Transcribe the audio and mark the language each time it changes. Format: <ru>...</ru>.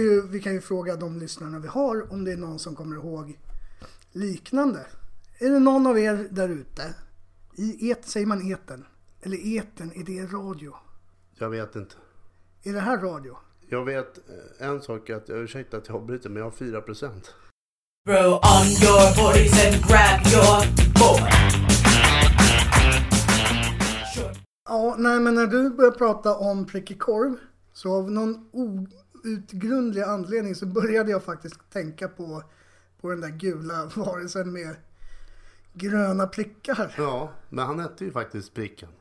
<sv>vi kan ju fråga de lyssnarna vi har om det är någon som kommer ihåg liknande. Är det någon av er där ute? I et, säger man eten? Eller eten, är det radio? Jag vet inte. Är det här radio? Jag vet en sak, att jag ursäktar att jag bryter, men jag har 4%.</sv> <en>Throw on your voice and grab your boy.</en> <sv>Ja, nej, men när du börjar prata om prickig korv, så av någon outgrundlig anledning så började jag faktiskt tänka på den där gula varelsen med gröna prickar. Ja, men han hette ju faktiskt Pricken.</sv>